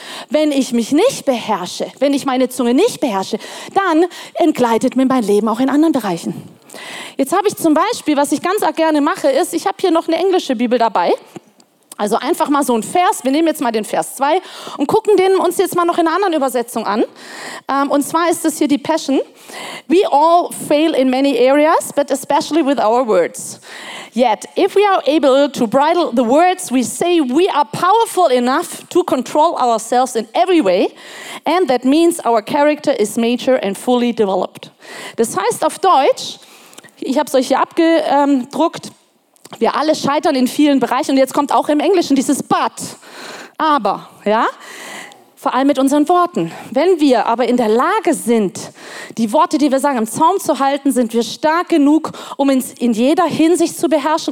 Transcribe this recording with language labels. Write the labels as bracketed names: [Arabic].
[German] Wenn ich mich nicht beherrsche, wenn ich meine Zunge nicht beherrsche, dann entgleitet mir mein Leben auch in anderen Bereichen. Jetzt habe ich zum Beispiel, was ich ganz gerne mache, ist, ich habe hier noch eine englische Bibel dabei. Also einfach mal so ein Vers, wir nehmen jetzt mal den Vers 2 und gucken den uns jetzt mal noch in einer anderen Übersetzung an. Und zwar ist das hier die Passion. [English] We all fail in many areas, but especially with our words. Yet, if we are able to bridle the words we say, we are powerful enough to control ourselves in every way. And that means our character is mature and fully developed. [German] Das heißt auf Deutsch, ich habe es euch hier abgedruckt, wir alle scheitern in vielen Bereichen und jetzt kommt auch im Englischen dieses But, aber, ja, vor allem mit unseren Worten. Wenn wir aber in der Lage sind, die Worte, die wir sagen, im Zaum zu halten, sind wir stark genug, um uns in jeder Hinsicht zu beherrschen.